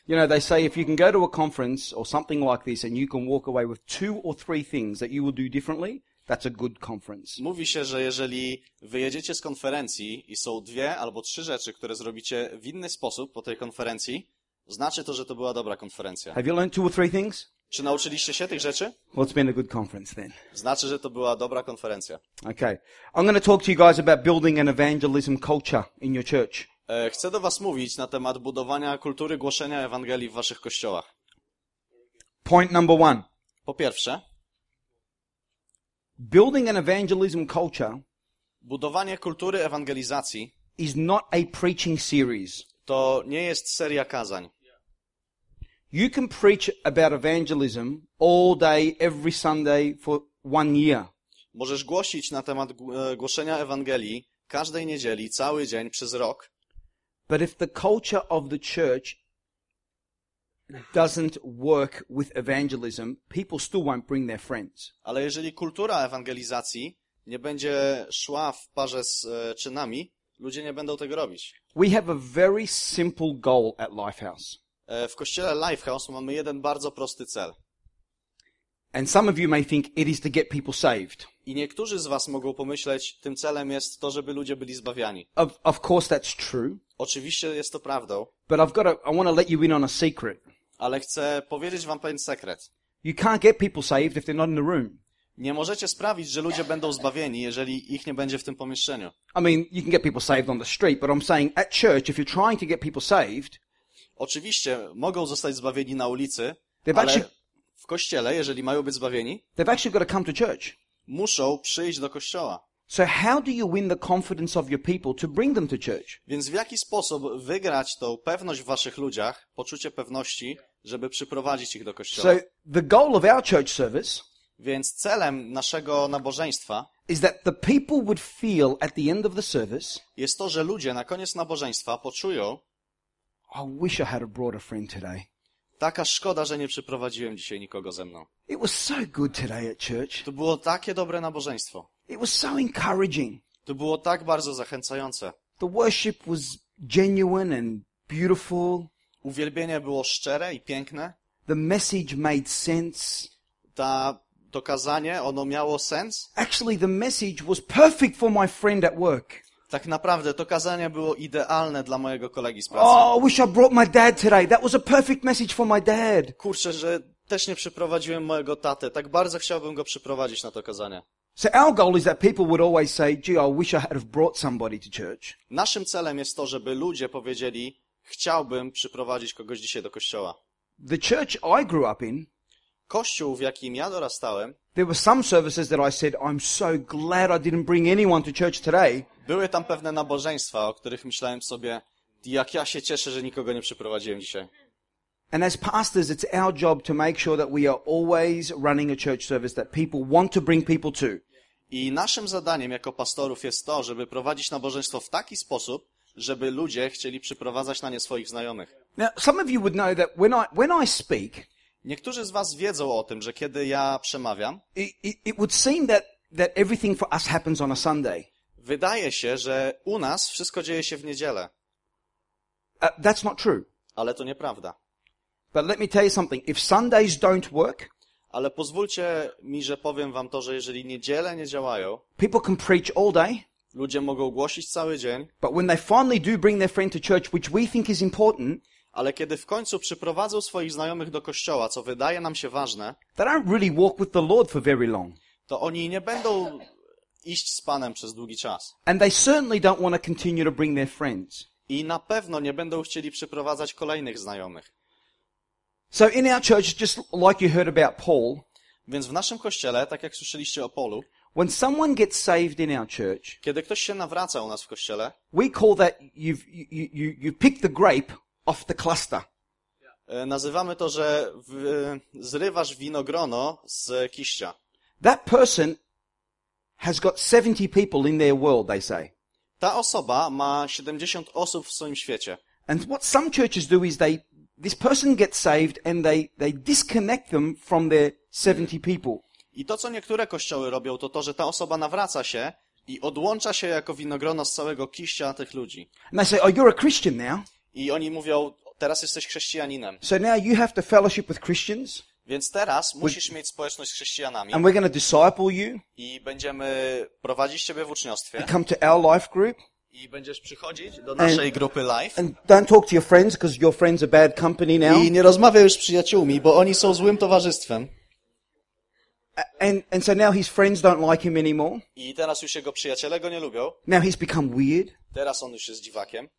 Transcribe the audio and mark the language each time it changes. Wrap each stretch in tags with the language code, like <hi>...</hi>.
<en>You know, they say if you can go to a conference or something like this and you can walk away with two or three things that you will do differently, that's a good conference.</en> <pl>Mówi się, że jeżeli wyjedziecie z konferencji i są dwie albo trzy rzeczy, które zrobicie w inny sposób po tej konferencji, znaczy to, że to była dobra konferencja.</pl> <en>Have you learned two or three things?</en> <pl>Czy nauczyliście się tych rzeczy?</pl> <en>Well, it's been a good conference then.</en> <pl>Znaczy, że to była dobra konferencja.</pl> <en>Okay. I'm going to talk to you guys about building an evangelism culture in your church.</en> <pl>Chcę do was mówić na temat budowania kultury głoszenia Ewangelii w waszych kościołach.</pl> <en>Point number one.</en> <pl>Po pierwsze.</pl> <en>Building an evangelism culture.</en> <pl>Budowanie kultury ewangelizacji.</pl> <en>Is not a preaching series.</en> <pl>To nie jest seria kazań.</pl> <en>You can preach about evangelism all day, every Sunday for one year.</en> <pl>Możesz głosić na temat głoszenia Ewangelii każdej niedzieli, cały dzień, przez rok.</pl> <en>But if the culture of the church doesn't work with evangelism, people still won't bring their friends.</en> <pl>Ale jeżeli kultura ewangelizacji nie będzie szła w parze z czynami, ludzie nie będą tego robić.</pl> <en>We have a very simple goal at Lifehouse.</en> <pl>W kościele Lifehouse mamy jeden bardzo prosty cel.</pl> <en>And some of you may think it is to get people saved.</en> <pl>I niektórzy z was mogą pomyśleć, tym celem jest to, żeby ludzie byli zbawiani.</pl> <en>Of course that's true.</en> <pl>Oczywiście jest to prawdą.</pl> <en>But I want to let you in on a secret.</en> <pl>Ale chcę powiedzieć wam pewien sekret.</pl> <en>You can't get people saved if they're not in the room.</en> <pl>Nie możecie sprawić, że ludzie będą zbawieni, jeżeli ich nie będzie w tym pomieszczeniu.</pl> <en>I mean, you can get people saved on the street, but I'm saying at church, if you're trying to get people saved,</en> <pl>oczywiście mogą zostać zbawieni na ulicy, ale actually, w kościele, jeżeli mają być zbawieni,</pl> <en>they've actually got to come to church.</en> <pl>Muszą przyjść do kościoła.</pl> <en>So how do you win the confidence of your people to bring them to church?</en> <pl>Więc w jaki sposób wygrać tą pewność w waszych ludziach, poczucie pewności, żeby przyprowadzić ich do kościoła?</pl> <en>So the goal of our church service.</en> <pl>Więc celem naszego nabożeństwa</pl> <en>is that the people would feel at the end of the service.</en> <pl>Jest to, że ludzie na koniec nabożeństwa poczują.</pl> <en>I wish I had brought a friend today.</en> <pl>Taka szkoda, że nie przyprowadziłem dzisiaj nikogo ze mną.</pl> <en>It was so good today at church.</en> <pl>To było takie dobre nabożeństwo.</pl> <en>It was so encouraging.</en> <pl>To było tak bardzo zachęcające.</pl> <en>The worship was genuine and beautiful.</en> <pl>Uwielbienie było szczere i piękne.</pl> <en>The message made sense.</en> <pl>To kazanie, ono miało sens.</pl> <en>Actually, the message was perfect for my friend at work.</en> <pl>Tak naprawdę, to kazanie było idealne dla mojego kolegi z pracy.</pl> <en>Oh, I wish I brought my dad today. That was a perfect message for my dad.</en> <pl>Kurczę, że też nie przyprowadziłem mojego tatę. Tak bardzo chciałbym go przyprowadzić na to kazanie.</pl> <en>So our goal is that people would always say, gee, I wish I had brought somebody to church.</en> <pl>Naszym celem jest to, żeby ludzie powiedzieli, chciałbym przyprowadzić kogoś dzisiaj do kościoła.</pl> <en>The church I grew up in,</en> <pl>kościół, w jakim ja dorastałem,</pl> <en>there were some services that I said, I'm so glad I didn't bring anyone to church today.</en> <pl>Były tam pewne nabożeństwa, o których myślałem sobie, jak ja się cieszę, że nikogo nie przyprowadziłem dzisiaj.</pl> <en>And as pastors, it's our job to make sure that we are always running a church service that people want to bring people to.</en> <pl>I naszym zadaniem jako pastorów jest to, żeby prowadzić nabożeństwo w taki sposób, żeby ludzie chcieli przyprowadzać na nie swoich znajomych.</pl> <en>Now, some of you would know that when I speak,</en> <pl>niektórzy z was wiedzą o tym, że kiedy ja przemawiam,</pl> <en>it would seem that everything for us happens on a Sunday.</en> <pl>Wydaje się, że u nas wszystko dzieje się w niedzielę.</pl> <en>That's not true.</en> <pl>Ale to nieprawda.</pl> <en>But let me tell you something. If Sundays don't work,</en> <pl>ale pozwólcie mi, że powiem wam to, że jeżeli niedziele nie działają,</pl> <en>people can preach all day.</en> <pl>Ludzie mogą głosić cały dzień.</pl> <en>But when they finally do bring their friend to church, which we think is important.</en> <pl>Ale kiedy w końcu przyprowadzą swoich znajomych do kościoła, co wydaje nam się ważne,</pl> <en>they don't really walk with the Lord for very long.</en> <pl>To oni nie będą iść z Panem przez długi czas.</pl> <en>And they certainly don't want to continue to bring their friends.</en> <pl>I na pewno nie będą chcieli przyprowadzać kolejnych znajomych.</pl> <en>So in our church, just like you heard about Paul,</en> <pl>więc w naszym kościele, tak jak słyszeliście o Paulu,</pl> <en>when someone gets saved in our church,</en> <pl>kiedy ktoś się nawraca u nas w kościele,</pl> <en>we call that you pick the grape off the cluster.</en> <pl>Nazywamy to, że zrywasz winogrono z kiścia.</pl> <en>That person has got 70 people in their world, they say.</en> <pl>Ta osoba ma 70 osób w swoim świecie.</pl> <en>And what some churches do is this person gets saved and they disconnect them from their 70 people.</en> <pl>I to, co niektóre kościoły robią, to, że ta osoba nawraca się i odłącza się jako winogrono z całego kiścia tych ludzi.</pl> <en>And they say, oh, you're a Christian now.</en> <pl>I oni mówią, teraz jesteś chrześcijaninem.</pl> <en>So now you have to fellowship with Christians.</en> <pl>Więc teraz musisz mieć społeczność z chrześcijanami.</pl> <en>And we're going to disciple you.</en> <pl>I będziemy prowadzić ciebie w uczniostwie.</pl> <en>Come to our life group.</en> <pl>I będziesz przychodzić do naszej grupy life.</pl> <en>And don't talk to your friends because your friends are bad company now.</en> <pl>I nie rozmawiaj już z przyjaciółmi, bo oni są złym towarzystwem.</pl> <en>And so now his friends don't like him anymore.</en> <pl>I teraz już jego przyjaciele go nie lubią.</pl> <en>Now he's become weird.</en> <pl>Teraz on już jest dziwakiem.</pl>